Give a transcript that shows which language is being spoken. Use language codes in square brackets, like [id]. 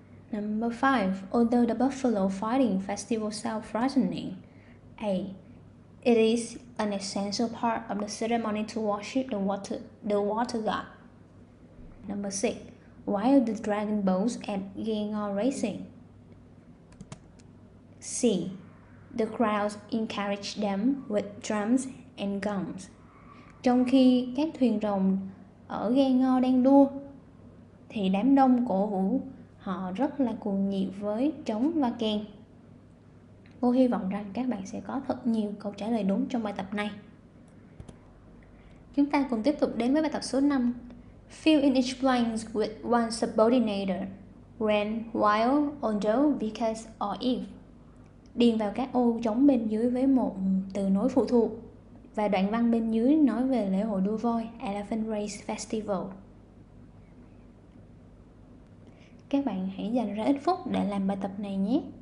[en] Number 5, although the buffalo fighting festival sounds frightening, A, it is an essential part of the ceremony to worship the water god. Number 6, why are the dragon boats at Ying are racing? C, the crowds encourage them with drums and gongs. [vi] Trong khi các thuyền rồng ở ghe ngò đang đua, thì đám đông cổ vũ họ rất là cuồng nhiệt với trống và kèn. Cô hy vọng rằng các bạn sẽ có thật nhiều câu trả lời đúng trong bài tập này. Chúng ta cùng tiếp tục đến với bài tập số 5. [en] Fill in each blank with one subordinator, when, while, although, because, or if. [vi] Điền vào các ô trống bên dưới với một từ nối phụ thuộc. Và đoạn văn bên dưới nói về lễ hội đua voi, Elephant Race Festival. Các bạn hãy dành ra ít phút để làm bài tập này nhé.